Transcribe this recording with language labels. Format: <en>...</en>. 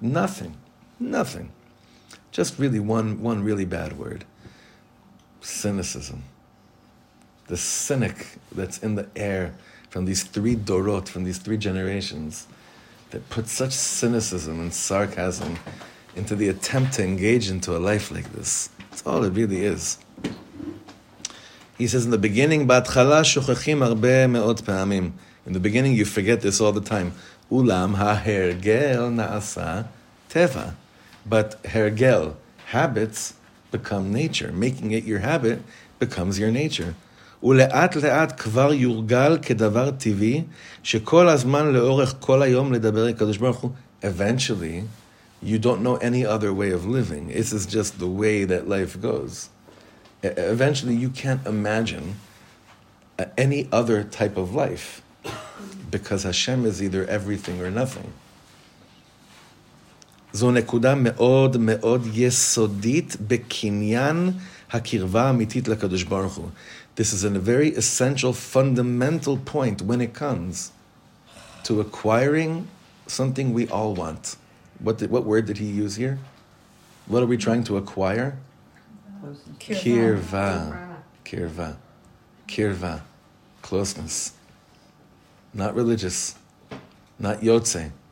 <en>Nothing. Just really one really bad word. Cynicism. The cynic that's in the air from these three dorot, from these three generations, that put such cynicism and sarcasm into the attempt to engage into a life like this. That's all it really is. He says in the beginning,</en> <he>בהתחלה שוכחים הרבה מאוד פעמים.</he> <en>In the beginning, you forget this all the time.</en> <he>Ulam ההרגל נעשה טבע.</he> <en>But הרגל, habits, become nature. Making it your habit becomes your nature.</en> <he>ולאט לאט כבר יורגל כדבר טבעי, שכל הזמן לאורך כל היום לדבר הקדוש ברוך הוא.</he> <en>Eventually, you don't know any other way of living. This is just the way that life goes. Eventually, you can't imagine any other type of life because Hashem is either everything or nothing.</en> <he>זו נקודה מאוד מאוד יסודית בקניין הקרבה האמיתית לקדוש ברוך הוא.</he> <en>This is a very essential, fundamental point when it comes to acquiring something we all want. What word did he use here? What are we trying to acquire? Kirva. Kirva. Kirva. Closeness. Not religious. Not yotze.</en>